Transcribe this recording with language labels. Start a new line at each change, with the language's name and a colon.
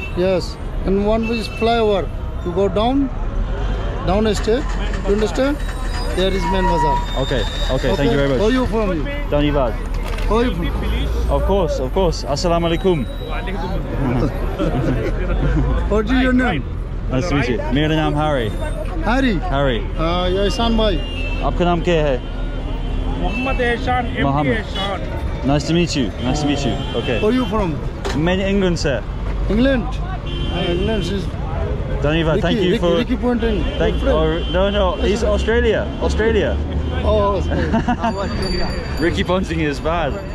English: Yes. And one is flyover. You go down a stair. You understand? There is main bazaar. Okay. Thank you very much. Where are you from?
Hindi: Dhanyavaad.
English: Where are you from? Of course. Assalamu alaikum. What is your name? Nice to meet you.
Hindi: मेरा नाम Harry.
English: Harry. Yeah, Ishan bhai.
Hindi: आपका नाम क्या है? Muhammad Ehsan, MP Ehsan.
English: Nice to meet you. Okay. Where are you from?
Hindi: Main England, sir.
English: England? Dhanyavaad, thank you for... Ricky Pointing. Thank you. No, he's Australia. Australia. Oh, Australia. Ricky Pointing is bad.